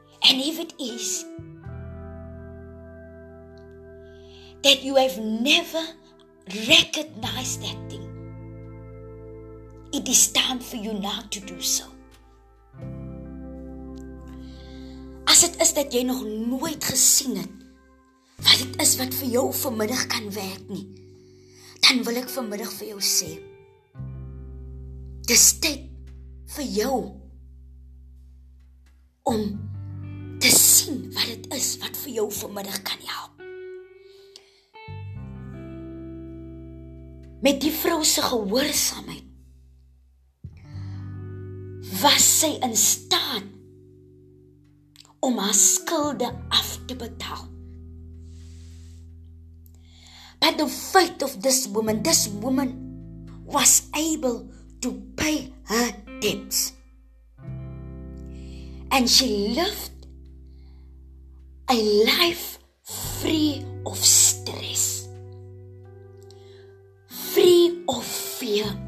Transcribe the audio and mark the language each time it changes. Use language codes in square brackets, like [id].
[en] And if it is that you have never recognized that thing, it is time for you now to do so. [af] As it is dat jy nog nooit gesien het, wat het is wat vir jou vanmiddag kan werk nie, dan wil ek vanmiddag vir jou sê, dis tyd vir jou om te sien wat het is wat vir jou vanmiddag kan help. met die vrou se gehoorsaamheid was sy in staat om haar skulde af te betaal. [en] By the faith of this woman was able to pay her debts. And she lived a life free of stress, free of fear.